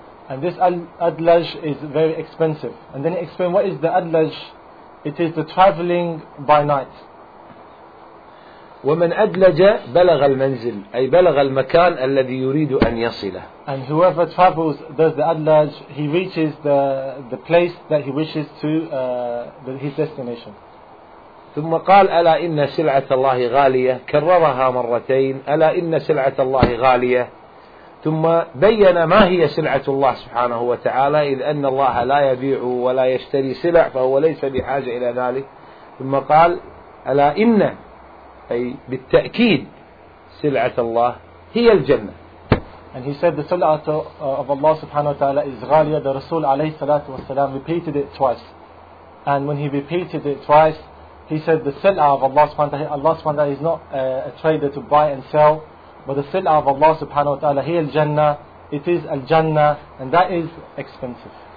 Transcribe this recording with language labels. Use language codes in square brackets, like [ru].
[en] And this adlaj is very expensive. And then he explained what is the adlaj. It is the traveling by night. [ar] ومن أدلج بلغ المنزل، أي بلغ المكان الذي يريد أن يصله. [en] And whoever travels does the adlaj, he reaches the place that he wishes to, his destination. [ar] ثم قال ألا إن سلعة الله غالية، كررها مرتين ألا إن سلعة الله غالية، ثم بين ما هي سلعة الله سبحانه وتعالى، إذ أن الله لا يبيع ولا يشتري سلع فهو ليس بحاجة إلى ذلك. ثم قال ألا إن، أي بالتأكيد، سلعة الله هي الجنة. [en] And he said the sila of Allah subhanahu wa ta'ala is ghaliya. The Rasul alayhi salatu wasalam repeated it twice. And when he repeated it twice, he said the sila of Allah subhanahu wa ta'ala, Allah subhanahu wa ta'ala is not a trader to buy and sell, but the sila of Allah subhanahu wa ta'ala, [ar] hiya al-jannah, [en] it is al-jannah, and that is expensive.